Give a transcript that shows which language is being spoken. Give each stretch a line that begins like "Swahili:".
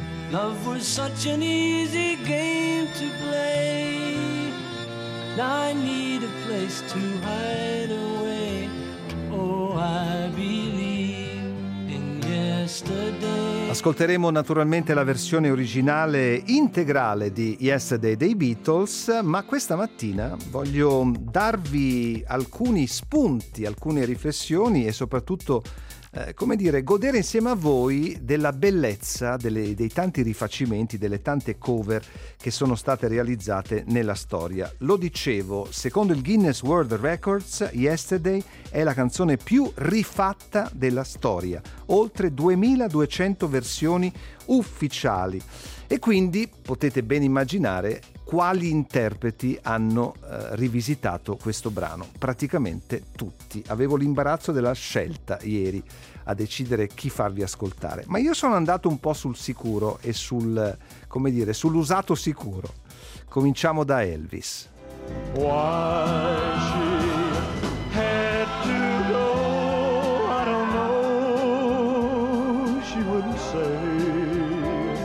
English: Love was such an easy game to play. Now I need a place to hide away. Oh, I believe in yesterday.
Italian: Ascolteremo naturalmente la versione originale integrale di Yesterday dei Beatles, ma questa mattina voglio darvi alcuni spunti, alcune riflessioni e soprattutto come dire, godere insieme a voi della bellezza dei tanti rifacimenti, delle tante cover che sono state realizzate nella storia. Lo dicevo, secondo il Guinness World Records, Yesterday è la canzone più rifatta della storia. Oltre 2200 versioni ufficiali. E quindi potete ben immaginare quali interpreti hanno rivisitato questo brano. Praticamente tutti. Avevo l'imbarazzo della scelta ieri a decidere chi farvi ascoltare. Ma io sono andato un po' sul sicuro e sul, come dire, sull'usato sicuro. Cominciamo da Elvis.
English: Why she had to go, I don't know, she wouldn't say.